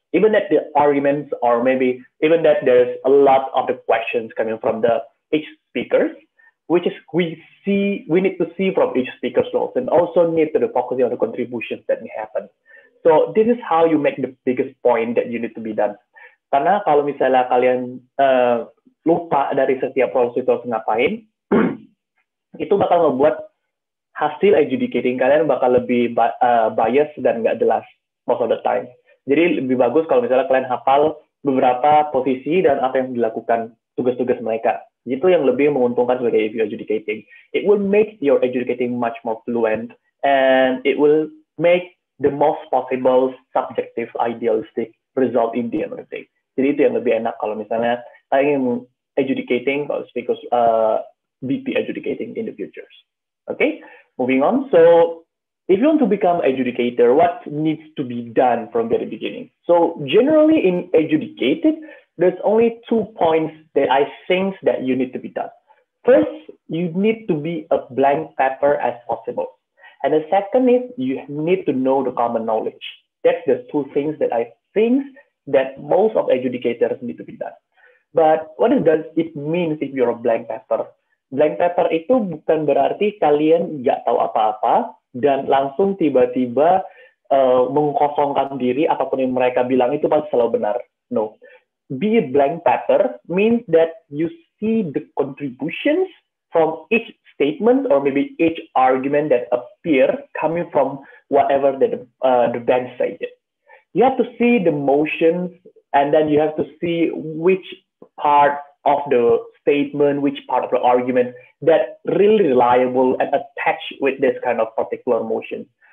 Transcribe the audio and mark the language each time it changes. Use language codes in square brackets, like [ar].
[en] Even that the arguments or maybe even that there's a lot of the questions coming from the each speakers, which is we need to see from each speaker's roles and also need to focus on the contributions that may happen. So this is how you make the biggest point that you need to be done. [id] Karena kalau misalnya kalian lupa dari setiap roles itu harus ngapain, itu bakal membuat hasil adjudicating kalian bakal lebih bias dan nggak jelas [en] most of the time. [id] Jadi lebih bagus kalau misalnya kalian hafal beberapa posisi dan apa yang dilakukan tugas-tugas mereka. Itu yang lebih menguntungkan sebagai [en] if you adjudicating. It will make your adjudicating much more fluent and it will make the most possible subjective idealistic result in the analytic. [id] Jadi itu yang lebih enak kalau misalnya kalian ingin adjudicating [en] because BP adjudicating in the future. Okay, moving on. So if you want to become adjudicator, what needs to be done from the beginning? So generally in adjudicated, there's only two points that I think that you need to be done. First, you need to be a blank paper as possible. And the second is you need to know the common knowledge. That's the two things that I think that most of adjudicators need to be done. But what does it mean if you're a blank paper? [id] Blank paper itu bukan berarti kalian nggak tahu apa-apa dan langsung tiba-tiba mengkosongkan diri apapun yang mereka bilang itu pasti selalu benar. [en] No. Be a blank paper means that you see the contributions from each statement or maybe each argument that appear coming from whatever that the bench said. You have to see the motions and then you have to see which part of the statement, which part of the argument that really reliable and attached with this kind of particular motion.